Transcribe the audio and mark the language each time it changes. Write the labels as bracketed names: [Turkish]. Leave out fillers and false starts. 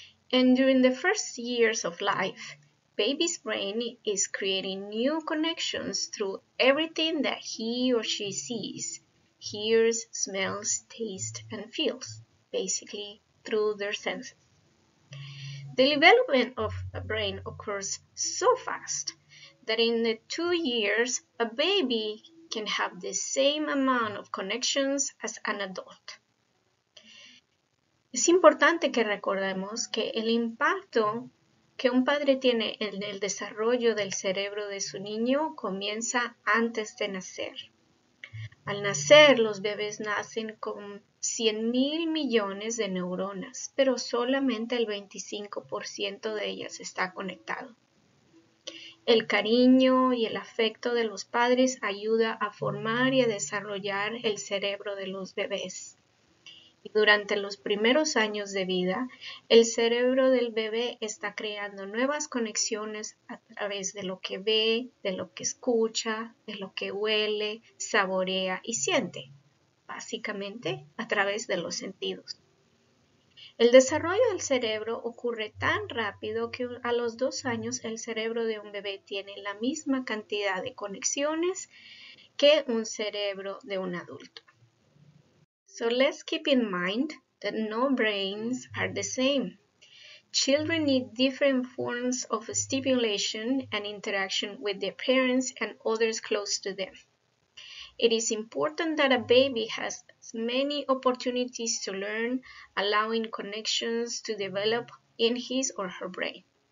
[English] And during the first years of life, baby's brain is creating new connections through everything that he or she sees, hears, smells, tastes, and feels, basically through their senses. The development of a brain occurs so fast that in the 2 years, a baby can have the same amount of connections as an adult. [Spanish] Es importante que recordemos que el impacto que un padre tiene en el desarrollo del cerebro de su niño comienza antes de nacer. Al nacer, los bebés nacen con 100 mil millones de neuronas, pero solamente el 25% de ellas está conectado. El cariño y el afecto de los padres ayuda a formar y a desarrollar el cerebro de los bebés. Durante los primeros años de vida, el cerebro del bebé está creando nuevas conexiones a través de lo que ve, de lo que escucha, de lo que huele, saborea y siente, básicamente a través de los sentidos. El desarrollo del cerebro ocurre tan rápido que a los 2 años el cerebro de un bebé tiene la misma cantidad de conexiones que un cerebro de un adulto. [English] So let's keep in mind that no brains are the same. Children need different forms of stimulation and interaction with their parents and others close to them. It is important that a baby has as many opportunities to learn, allowing connections to develop in his or her brain.